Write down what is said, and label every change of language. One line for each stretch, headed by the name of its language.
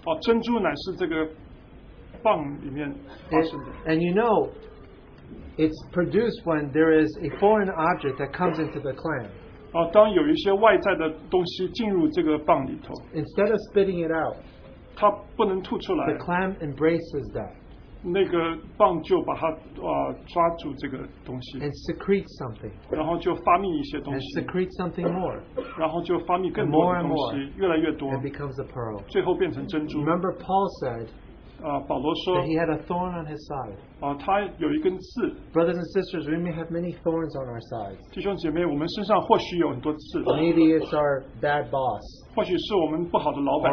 Chinese: 珍珠乃是这个蚌里面发生的。
English: And you know, it's produced when there is a foreign object that comes into the clam.
Chinese: 当有一些外在的东西进入这个蚌里头，
English: instead of spitting it out,
Chinese: 它不能吐出来，
English: the clam embraces that.
Chinese: 那个蚌就把它抓住这个东西，
English: and secretes something.
Chinese: 然后就发明一些东西，
English: and secretes something more.
Chinese: 然后就发明更多的东西，
English: and more and more,
Chinese: 越来越多，
English: and becomes a pearl.
Chinese: 最后变成珍珠。
English: Remember Paul said,
Chinese: 保罗说，
English: that he had a thorn on his side.
Chinese: 他有一根刺。
English: Brothers and sisters, we may have many thorns on our sides.
Chinese: 弟兄姐妹，我们身上或许有很多刺。
English: Maybe it's our bad boss.
Chinese: 或许是我们不好的老板。